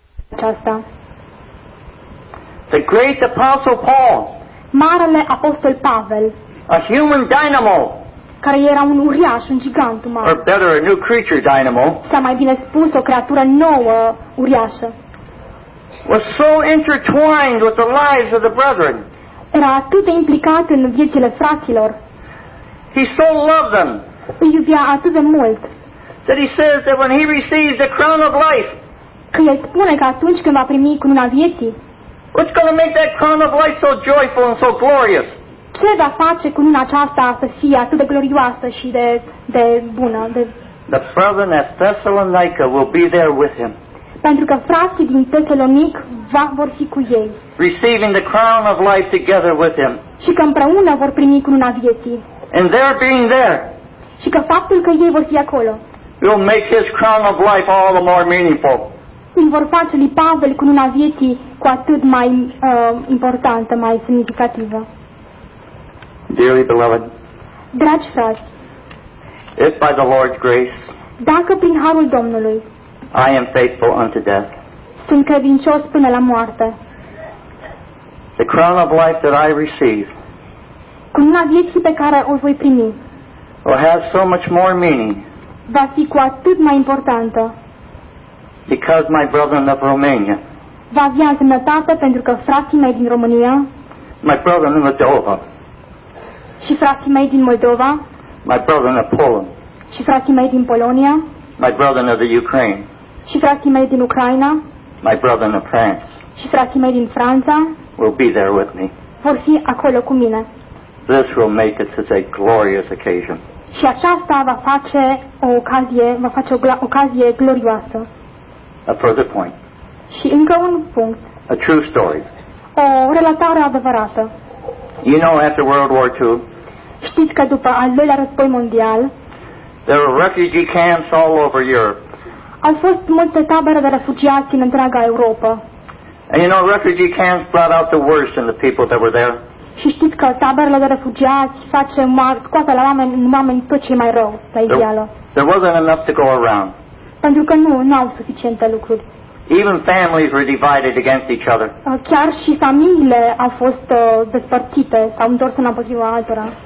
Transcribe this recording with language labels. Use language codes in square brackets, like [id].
[ro] Aceasta. [en] The great apostle Paul. [ro] Marele apostol Pavel. [en] A human dynamo. [ro] Care era un uriaș, un gigant uman. [en] Or better, a new creature dynamo. [ro] Sau mai bine spus, o creatură nouă, uriașă. [en] Was so intertwined with the lives of the brethren. [ro] Era atât de implicat în viețile fraților. [en] He so loved them. [ro] Îi iubea atât de mult. [en] That he says that when he receives the crown of life. [ro] Că el spune că atunci când va primi cununa vieții. [en] What's going to make that crown of life so joyful and so glorious? [ro] Ce va face cununa aceasta să fie atât de glorioasă și de bună? De... [en] The brethren at Thessalonica will be there with him. [ro] Pentru că frații din Tesalonic vor fi cu ei. [en] Receiving the crown of life together with him. [ro] Și că împreună vor primi cununa vieții. [en] And their being there. [ro] Și că faptul că ei vor fi acolo. [en] Will make his crown of life all the more meaningful. [ro] Îi vor face lui Pavel cununa vieții cu atât mai importantă, mai semnificativă. [en] Dearly beloved, [ro] dragi frați, [en] if by the Lord's grace, [ro] dacă prin harul Domnului, [en] I am faithful unto death, [ro] sunt credincios până la moarte, [en] the crown of life that I receive, [ro] cununa vieții pe care o voi primi, [en] will have so much more meaning, [ro] va fi cu atât mai importantă, [en] because my brethren of Romania, [ro] va avea însemnătate pentru că frații mei din România, [en] my brethren of Moldova, [ro] și frații mei din Moldova, [en] my brethren of Poland, [ro] și frații mei din Polonia, [en] my brethren of the Ukraine, [ro] și frații mei din Ucraina, [en] my brethren of France, [ro] și frații mei din Franța, [en] will be there with me. [ro] Vor fi acolo cu mine. [en] This will make it such a glorious occasion. [ro] Și aceasta va face o ocazie, va face o ocazie glorioasă. [en] A further point. [ro] Și încă un punct. [en] A true story. [ro] O relatare adevărată. [en] You know, after World War II, [ro] știți că după al doilea război mondial, [en] there were refugee camps all over Europe. [ro] Au fost multe tabere de refugiați în întreaga Europa. [en] And you know, refugee camps brought out the worst in the people that were there. [ro] Și știți că taberele de refugiați scoate la oameni tot ce e mai rău la ideală. [en] There wasn't enough to go around. [ro] Pentru că nu au suficiente lucruri. [en] Even families were divided against each other. [ro] Chiar și familiile au fost despărțite, s-au întors împotriva altora.